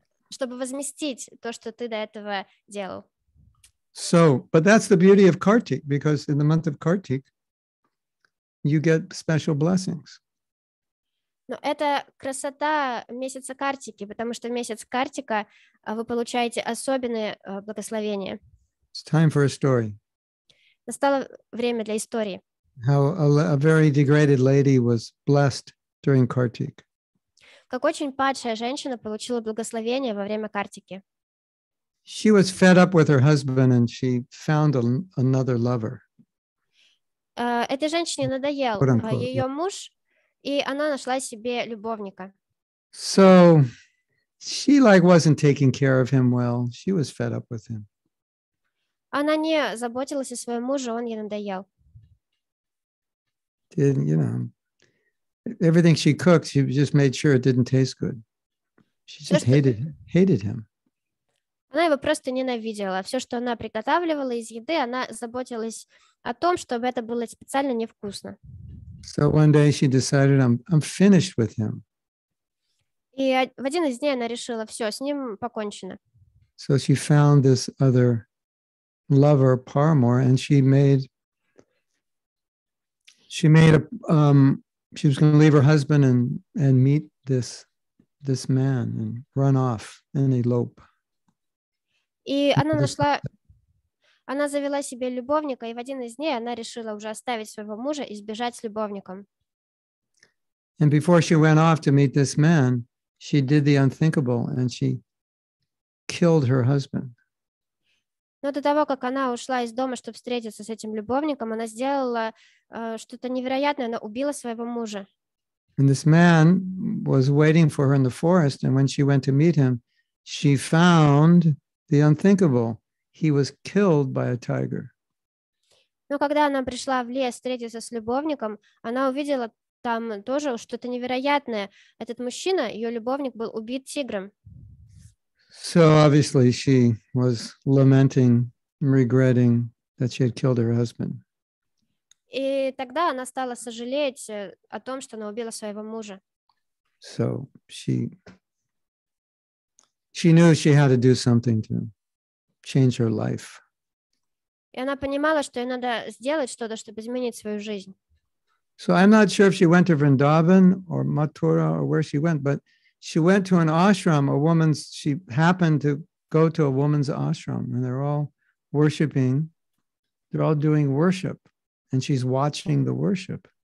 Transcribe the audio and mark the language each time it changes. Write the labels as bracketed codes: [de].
[ru] Чтобы возместить то, что ты до этого делал. [en] So, but that's the beauty of Kartik, because in the month of Kartik you get special blessings. [ru] Но это красота месяца Картики, потому что в месяц Картика вы получаете особенные благословения. [en] It's time for a story. [ru] Настало время для истории. [en] How a very degraded lady was blessed during Kartik. [ru] Как очень падшая женщина получила благословение во время Картики. [en] She was fed up with her husband and she found another lover. [ru] Этой женщине надоел ее муж. И она нашла себе любовника. [en] So she like wasn't taking care of him well. She was fed up with him. [ru] Она не заботилась о своем муже, он ей надоел. [en] Didn't, you know, everything she cooked, she just made sure it didn't taste good. She just hated him. [ru] Она его просто ненавидела. Все, что она приготавливала из еды, она заботилась о том, чтобы это было специально невкусно. [en] So one day she decided, I'm finished with him. [ru] И в один из дней она решила, все, с ним покончено. [en] So she found this other lover, Paramore, and she was going to leave her husband and meet this man and run off and elope. [ru] И она нашла, она завела себе любовника, и в один из дней она решила уже оставить своего мужа и сбежать с любовником. [en] And before she went off to meet this man, she did the unthinkable and she killed her husband. [ru] Но до того, как она ушла из дома, чтобы встретиться с этим любовником, она сделала что-то невероятное, она убила своего мужа. [en] And this man was waiting for her in the forest, and when she went to meet him, she found the unthinkable. He was killed by a tiger. [ru] Но когда она пришла в лес встретиться с любовником, она увидела там тоже что-то невероятное. Этот мужчина, ее любовник, был убит тигром. [en] So obviously she was lamenting, regretting that she had killed her husband. [ru] И тогда она стала сожалеть о том, что она убила своего мужа. [en] So she knew she had to do something to change her life. [ru] И она понимала, что ей надо сделать что-то, чтобы изменить свою жизнь. [en] So I'm not sure if she went to Vrindavan or Mathura or where she went, but she went to an ashram, she happened to go to a woman's ashram, and they're all worshiping, they're all doing worship, and she's watching the worship.